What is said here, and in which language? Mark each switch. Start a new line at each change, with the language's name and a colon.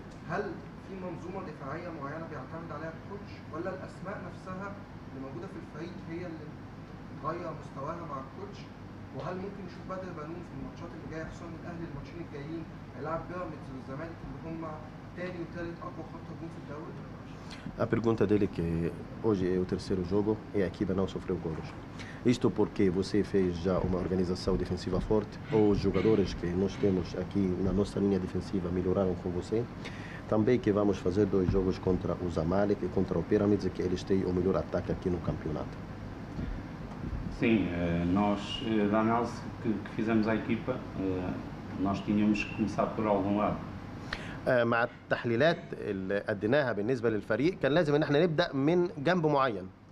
Arabic: هل في منظومة دفاعية معينة بيعتمد عليها الكوتش، ولا الأسماء نفسها اللي موجودة في الفريق هي اللي بتغير مستواها مع الكوتش؟ وهل ممكن نشوف بدر بانون في الماتشات اللي جاية، خصوصا الأهلي الماتشين الجايين هيلعب بيراميدز والزمالك اللي هم تاني وتالت أقوى خط هجوم في الدوري؟
Portuguese: A pergunta dele que hoje é o terceiro jogo e a equipa não sofreu gols. Isto porque você fez já uma organização defensiva forte, ou os jogadores que nós temos aqui na nossa linha defensiva melhoraram com você. Também que vamos fazer 2 jogos contra o Zamalek e contra o Pirâmides, que eles têm o melhor ataque aqui no campeonato. Sim, nós, da análise que fizemos à equipa, nós tínhamos que começar por algum lado.
Arabic: مع التحليلات اللي اديناها بالنسبه للفريق كان لازم ان احنا نبدا من جنب معين.